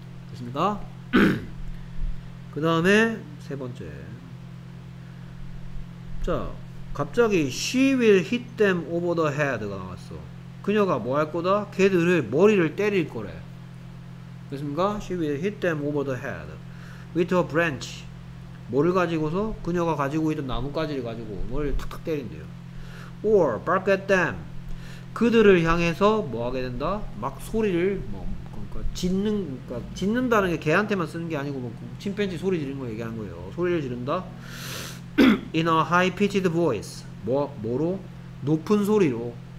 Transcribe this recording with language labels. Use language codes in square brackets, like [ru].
[ko] 됐습니까? 그 다음에 세 번째, 자 갑자기 [en] she will hit them over the head [ko] 가 나왔어. 그녀가 뭐 할 거다? 걔들을 머리를 때릴 거래. 됐습니까? [en] She will hit them over the head with a branch. [ko] 뭐를 가지고서? 그녀가 가지고 있던 나뭇가지를 가지고 머리를 탁탁 때린대요. [en] Or bark at them. [ko] 그들을 향해서 뭐 하게 된다? 막 소리를 뭐 짖는다는 게 걔한테만 쓰는 게 아니고 뭐 침팬지 소리 지른 거 얘기하는 거예요. 소리를 지른다. [en] In a high pitched voice. [ko] 뭐로? 높은 소리로.